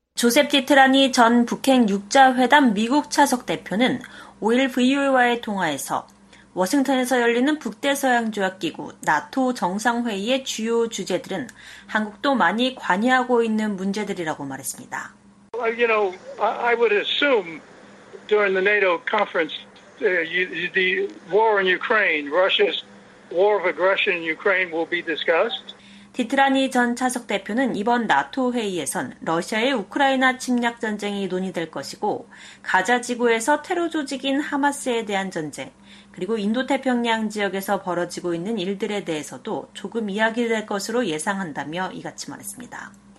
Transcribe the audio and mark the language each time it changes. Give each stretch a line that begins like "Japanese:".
Korean: 조셉 디트라니 전 북핵 6자회담 미국 차석 대표는 5일 VOA와의 통화에서 워싱턴에서 열리는 북대서양조약기구 나토 정상회의의 주요 주제들은 한국도 많이 관여하고 있는 문제들이라고 말했습니다.
English: Well, you know, I would assume during the NATO conference, the war in Ukraine, Russia's war of aggression in Ukraine will be discussed.
Korean: 디트라니 전 차석 대표는 이번 나토 회의에선 러시아의 우크라이나 침략 전쟁이 논의될 것이고 가자 지구에서 테러 조직인 하마스에 대한 전쟁 그리고 인도태평양 지역에서 벌어지고 있는 일들에 대해서도 조금 이야기될 것으로 예상한다며 이같이 말했습니다.